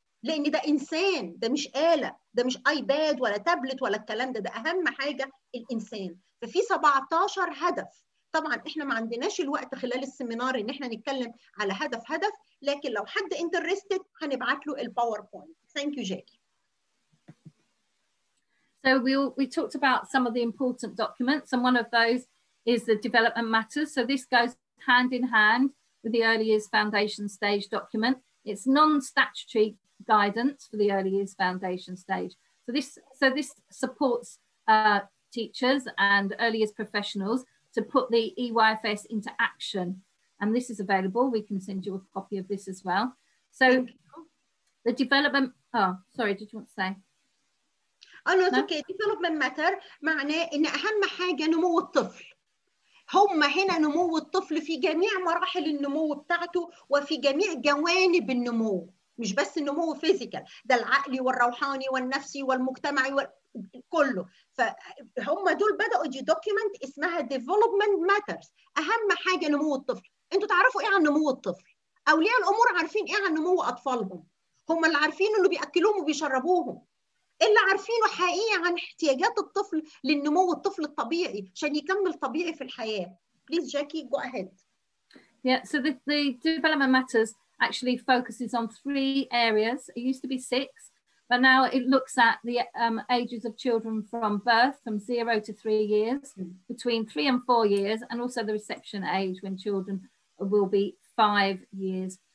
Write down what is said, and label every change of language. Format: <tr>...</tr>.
<ar>لان ده انسان، ده مش اله، ده مش ايباد ولا تابلت ولا الكلام ده، ده اهم حاجه الانسان. ففي 17 هدف. طبعا احنا ما عندناش الوقت خلال السيمينار ان احنا نتكلم على هدف هدف، لكن لو حد انترستد هنبعت له الباوربوينت.</ar> <en>Thank you Jackie. So we talked about some of the important documents, and one of those is the development matters. So this goes hand in hand with the early years foundation stage document. It's non-statutory guidance for the early years foundation stage. So this supports teachers and early years professionals to put the EYFS into action. And this is available. We can send you a copy of this as well. So the development, oh, sorry, did you want to say? Oh, no, it's okay.</en> <ar>Development matter, معناه إن أهم حاجة نمو الطفل. هم هنا نمو الطفل في جميع مراحل النمو بتاعته وفي جميع جوانب النمو، مش بس النمو فيزيكال، ده العقلي والروحاني والنفسي والمجتمعي كله. فهم دول بدأوا دي دوكيمنت اسمها ديفلوبمنت ماترز، اهم حاجه نمو الطفل. انتوا تعرفوا ايه عن نمو الطفل؟ اولياء الامور عارفين ايه عن نمو اطفالهم؟ هم اللي عارفين انه بياكلوهم وبيشربوهم، اللي عارفينه حقيقي عن احتياجات الطفل للنمو الطفل الطبيعي عشان يكمل طبيعي في الحياه.</ar> <en>Please Jackie go ahead. Yeah, so the development matters actually focuses on three areas. It used to be six, but now it looks at the ages of children from birth, from 0 to 3 years, between 3 and 4 years, and also the reception age when children will be 5 years.</en>